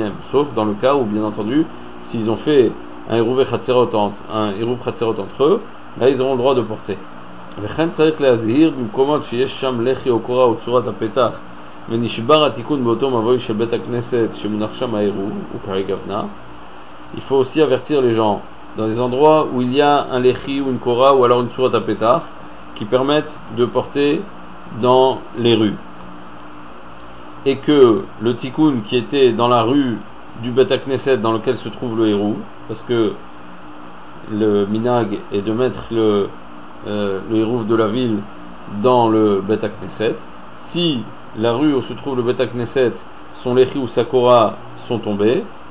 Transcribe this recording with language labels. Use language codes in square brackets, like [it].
[fr] Sauf dans le cas où, bien entendu, s'ils ont fait un eruv chatzerot entre eux, là ils auront le droit de porter. [he] וכן צריך להזהיר במקומות שיש שם לחי או קורה או צורת הפתח ונשבר התיקון באותו מבוי של בית הכנסת שמונח שם העירוב הוא כרגע בנה. [fr] Il faut aussi avertir les gens dans les endroits où il y a un lechi ou une kora ou alors une tsurat apetach qui permettent de porter dans les rues. Et que le tikkun qui était dans la rue du Bet HaKnesset dans lequel se trouve le Hérouv, parce que le minag est de mettre le Hérouv de la ville dans le Bet HaKnesset, si la rue où se trouve le Bet HaKnesset, son lechi ou sa kora sont tombés,